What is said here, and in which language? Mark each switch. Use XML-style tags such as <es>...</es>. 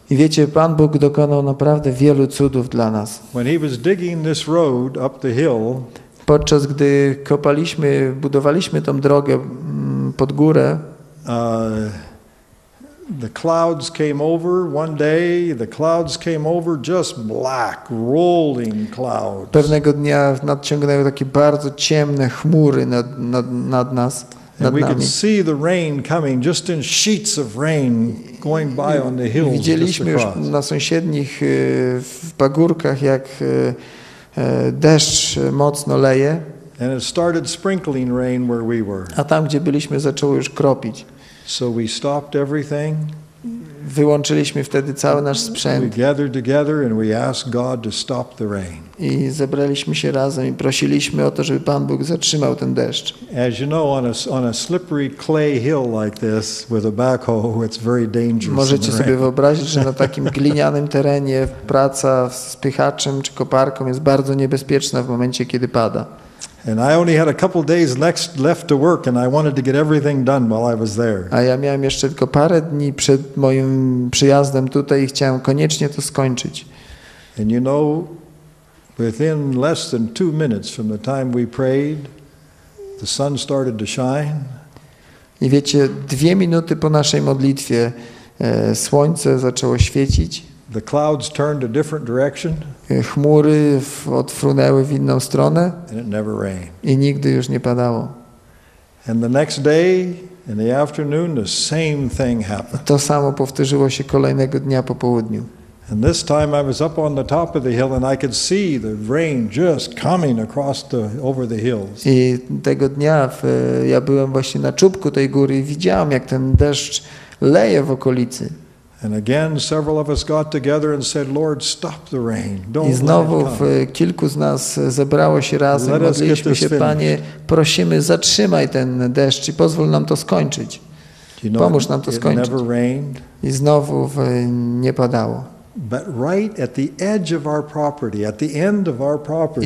<pl>I wiecie, Pan Bóg dokonał naprawdę wielu cudów dla nas.</pl> <en>When he was digging this road up the hill.</en> <pl>Podczas gdy kopaliśmy, budowaliśmy tą drogę pod górę.</pl> <en>The clouds came over one day, the clouds came over just black, rolling clouds.</en> <pl>Pewnego dnia nadciągnęły takie bardzo ciemne chmury nad nas.</pl> <en>And we could see the rain coming, just in sheets of rain going by on the hills.</en> <pl>Widzieliśmy już na sąsiednich pagórkach, jak deszcz mocno leje.</pl> <en>And it started sprinkling rain where we were.</en> <pl>A tam, gdzie byliśmy, zaczęło już kropić.</pl> <en>So we stopped everything.</en> <pl>Wyłączyliśmy wtedy cały nasz sprzęt.</pl> <en>We gathered together and we asked God to stop the rain.</en> <pl>I zebraliśmy się razem i prosiliśmy o to, żeby Pan Bóg zatrzymał ten deszcz.</pl> <en>As you know, on a slippery clay hill like this with a backhoe, it's very dangerous.</en> <pl>Możecie sobie wyobrazić, że na takim glinianym terenie praca z pychaczem czy koparką jest bardzo niebezpieczna w momencie, kiedy pada.</pl> <en>And I only had a couple days left to work, and I wanted to get everything done while I was there.</en> <pl>A ja miałem jeszcze tylko parę dni przed moim przyjazdem tutaj i chciałem koniecznie to skończyć.</pl> <en>And you know, within less than 2 minutes from the time we prayed, the sun started to shine.</en> <pl>I wiecie, 2 minuty po naszej modlitwie słońce zaczęło świecić.</pl> <en>The clouds turned a different direction.</en> <pl>Chmury odfrunęły w inną stronę.</pl> <en>And it never rained.</en> <pl>I nigdy już nie padało.</pl> <en>And the next day, in the afternoon, the same thing happened.</en> <pl>To samo powtórzyło się kolejnego dnia po południu.</pl> <en>And this time I was up on the top of the hill and I could see the rain just coming across over the hills.</en> <pl>I tego dnia ja byłem właśnie na czubku tej góry i widziałem, jak ten deszcz leje w okolicy.</pl> <en>And again, several of us got together and said, "Lord, stop the rain. Don't let it come."</en> <pl>I znowu kilku z nas zebrało się razem, modliliśmy się, Panie, prosimy, zatrzymaj ten deszcz i pozwól nam to skończyć. Pomóż nam to skończyć.</pl> <en>It never rained.</en> <pl>I znowu nie padało.</pl> <en>But right at the edge of our property, at the end of our property.</en>